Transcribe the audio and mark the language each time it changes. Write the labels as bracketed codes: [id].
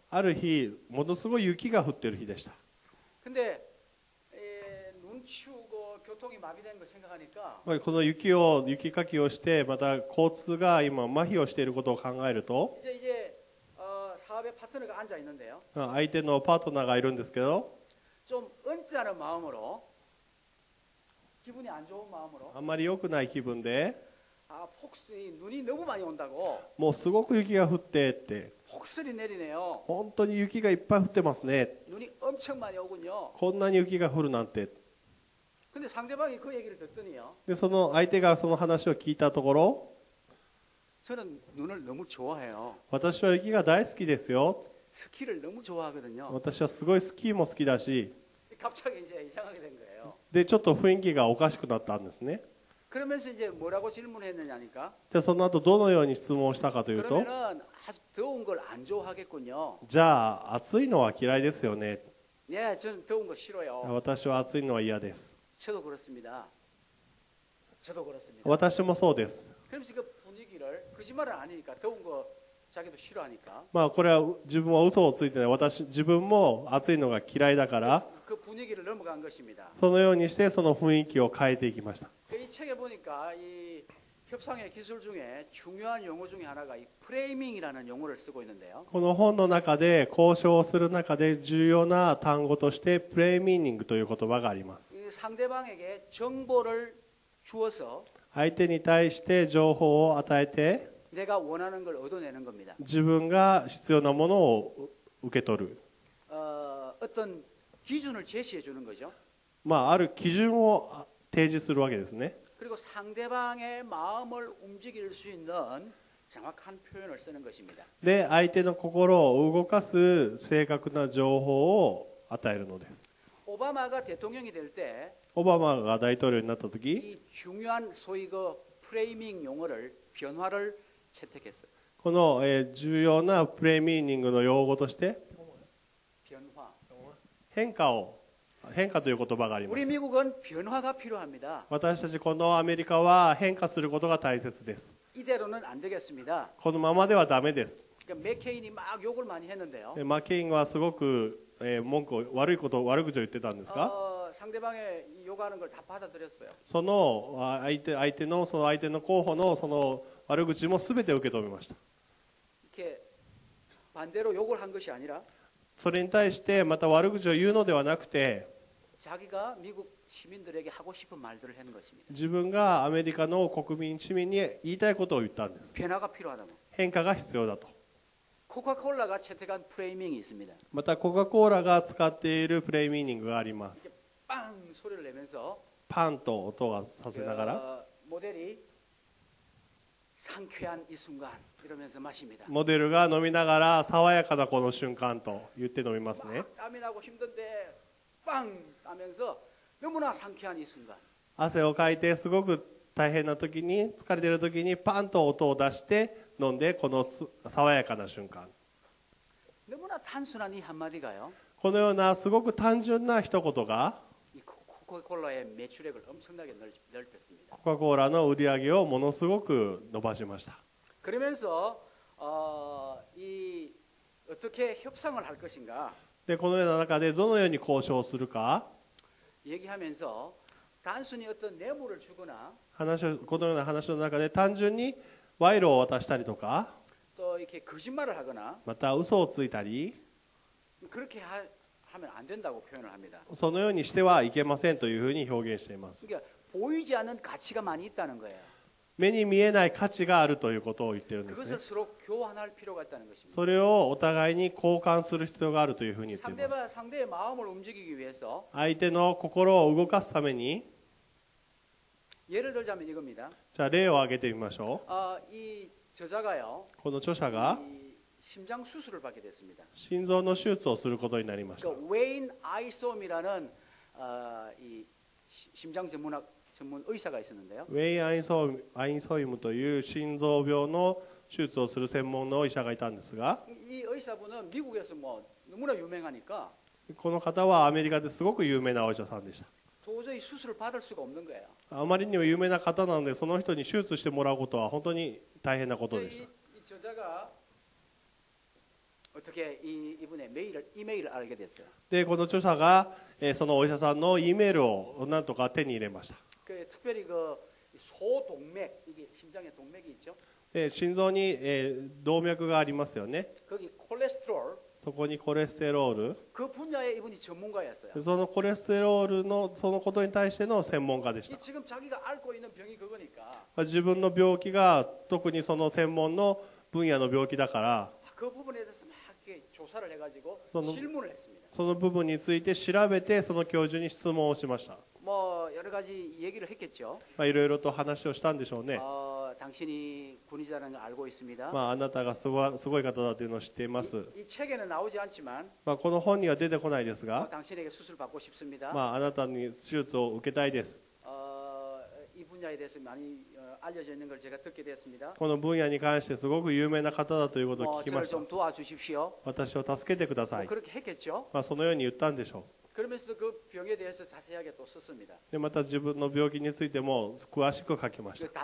[ja] ある日ものすごい雪が降ってる日でした [ko] 근데눈치우고교통이마비된걸생각하니까 [ja] この雪を雪かきをしてまた交通が今麻痺をしていることを考えると [ko] 이제사업의파트너가앉아있는데요 [ja] 相手のパートナーがいるんですけど [ko] 좀은짜는마음으로기분이안좋은마음으로 [ja] あんまり良くない気分であ [ko] 폭설이눈이너무많이온다고 [ja] もうすごく雪が降ってって [ko] 폭설이내리네요 [ja] 本当に雪がいっぱい降ってますね [ko] 눈이엄청많이오군요 [ja] こんなに雪が降るなんて [ko] 근데상대방이그얘기를듣더니요 [ja] でその相手がその話を聞いたところ [ko] 저는눈을너무좋아해요 [ja] 私は雪が大好きですよ [ko] 스키를너무좋아하거든요 [ja] 私はすごいスキーも好きだし [ko] 갑자기이제이상하게된거예요 [ja] でちょっと雰囲気がおかしくなったんですね [ko] 그러면서이제뭐라고질문을했느냐니까 [ja] じゃあその後どのように質問したかというと [ko] 그러면은아주더운걸안좋아하겠군요 [ja] じゃあ暑いのは嫌いですよね [ko] 네저는더운거싫어요 [ja] 私は暑いのは嫌です [ko] 저도그렇습니다저도그렇습니다 [ja] 私もそうです [ko] 그럼그분위기를거짓말을안하니까더운거자기도싫어하니까 [ja] まあこれは自分は嘘をついてない私自分も暑いのが嫌いだから [ko] 그분위기를넘어간것입니다 [ja] そのようにしてその雰囲気を変えていきました [ko] いい책에보니까이협상의기술중에중요한용어중에하나가이프레이밍이라는용어를쓰고있는데요 [ja] この本の中で交渉をする中で重要な単語としてプレイミニングという言葉があります [ko] 상대방에게정보를주어서 [ja] 相手に対して情報を与えて [ko] 내가원하는걸얻어내는겁니다 [ja] 自分が必要なものを受け取る [ko] 어떤기준을제시해주는거죠 [ja] まあある基準を提示するわけですね。 [ko] 그리고상대방의마음을움직일수있는정확한표현을쓰는것입니다。 [ja] で、相手の心を動かす正確な情報を与えるのです。 [ko] 오바마가대통령이될때、 [ja] 오바마가大統領になった時、 [ko] 이중요한소위그프레이밍용어를변화를채택했어요。 [ja] この重要なプレミーニングの用語として、 [ko] 변화、 [ja] 変化を。変化という言葉があります。 [ko] 우리미국은변화가필요합니다。 [ja] 私たちこのアメリカは変化することが大切です。 [ko] 이대로는안되겠습니다。 [ja] このままではダメです。 [ko] 맥케인이막욕을많이했는데요。 [ja] 맥케인はすごく文句を悪いこと悪口を言ってたんですか？ [ko] 상대방의욕하는걸다받아들였어요。 [ja] その相手のその相手の候補のその悪口もすべて受け止めました。 [ko] 이렇게반대로욕을한것이아니라。 [ja] それに対してまた悪口を言うのではなくて、 [ko] 자기가미국시민들에게하고싶은말들을했것입니다。 [ja] 自分がアメリカの国民市民に言いたいことを言ったんです。 [ko] 변화가필요하다고。 [ja] 変化が必要だと。 [ko] コカコーラが채택한프레이밍이있습니다。 [ja] またコカコーラが使っているプレイミーニングがあります。 [ko] 빵소리를내면서、 [ja] パンと音がさせながら、 [ko] モデル상쾌한이순간이러면서마십니다 [ja] モデルが飲みながら爽やかなこの瞬間と言って飲みますね [ko] 땀이나고힘든데빵하면서너무나상쾌한이순간 [ja] 汗をかいてすごく大変な時に疲れてる時にパンと音を出して飲んでこの爽やかな瞬間 [ko] 너무나단순한이한마디가요 [ja] このようなすごく単純な一言が [ko] コカコーラ의매출액을엄청나게넓혔습니다 [ja] コカコーラの売り上げをものすごく伸ばしました [ko] 그러면서이어떻게협상을할것인가 [ja] でこのような中でどのように交渉するか [ko] 얘기하면서단순히어떤뇌물을주거나 [ja] このような話の中で単純に賄賂を渡したりとか [ko] 또 이렇게거짓말을하거나 [ja] また嘘をついたり [ko] 그렇게 하면안된다고표현을합니다 [ja] そのようにしてはいけませんというふうに表現しています [ko] 그러니까보이지않는가치가많이있다는거예요 [ja] 目に見えない価値があるということを言っているんですね。 [ko] 그것을서로교환할필요가있다는것입니다。 [ja] それをお互いに交換する必要があるというふうに言っています。 [ko] 상대의마음을움직이기위해서。 [ja] 相手の心を動かすために。 [ko] 예를들자면이겁니다。 [ja] じゃあ例を挙げてみましょう。 [ko] 아이저자가요。 [ja] この著者が。 [ko] 심장수술을받게됐습니다。 [ja] 心臓の手術をすることになりました。 [ko] 그러니까웨인아이솜이라는이심장전문학전문의사가있었는데요 [ja] 웨인아인소아인소임という心臓病の手術をする専門の医者がいたんですが [ko] 이의사분은미국에서뭐너무나유명하니까 [ja] この方はアメリカですごく有名なお医者さんでした [ko] 도저히수술을받을수가없는거예요 [ja] あまりにも有名な方なのでその人に手術してもらうことは本当に大変なことでした [ko] 이저자가어떻게 이분의메일을이메일을알게됐어요 [ja] で、この著者がそのお医者さんのイメールをなんとか手に入れました [ko] 그특별히그소동맥이게심장에동맥이있죠 네심장에동맥이 [ja] ありますよね [ko] 거기콜레스테롤 [ja] そこにコレステロール [ko] 그분야에이분이전문가였어요 [ja] そのコレステロールのそのことに対しての専門家でした [ko] 지금자기가앓고있는병이그거니까 [ja] 自分の病気が特にその専門の [ko] 분야 [ja] の病気だから [ko] 그부분에대해서막이렇게조사를해가지고질문을했습니다 [ja] その部分について調べてその教授に質問をしました [ko] もう여러가지얘기를했겠죠 [ja] いろいろと話をしたんでしょうね [ko] 당신이군인이라는걸알고있습니다 [ja] あなたがすごい方だというのを知っています [ko] 이책에는나오지않지만 [ja] この本には出てこないですが [ko] 당신에게수술받고싶습니다 [ja] あなたに手術を受けたいです [ko] 이분야에대해서많이알려져있는걸제가듣게되었습니다 [ja] この分野に関してすごく有名な方だということを聞きました [ko] 저를좀도와주십시오 [ja] 私を助けてください [ko] 그렇게했겠죠 [ja] そのように言ったんでしょう [ko] 그러면서그병에대해서자세하게또썼습니다 [ja] で、また自分の病気についても詳しく書きました